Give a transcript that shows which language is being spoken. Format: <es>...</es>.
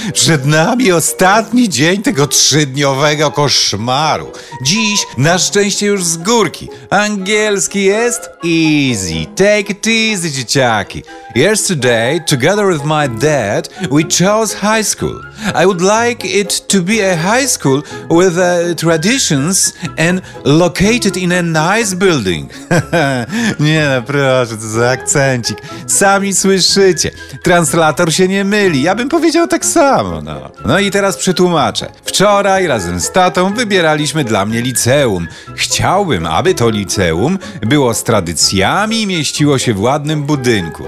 <pl>Przed nami ostatni dzień tego trzydniowego koszmaru. Dziś na szczęście już z górki. Angielski jest</pl> <en>easy. Take it easy,</en> <pl>dzieciaki.</pl> <en>Yesterday, together with my dad, we chose high school. I would like it to be a high school with traditions and located in a nice building.</en> <pl>Nie, no proszę, to za akcencik. Sami słyszycie. Translator się nie myli. Ja bym powiedział tak samo, no. No i teraz przetłumaczę. Wczoraj razem z tatą wybieraliśmy dla mnie liceum. Chciałbym, aby to liceum było z tradycjami i mieściło się w ładnym budynku.</pl>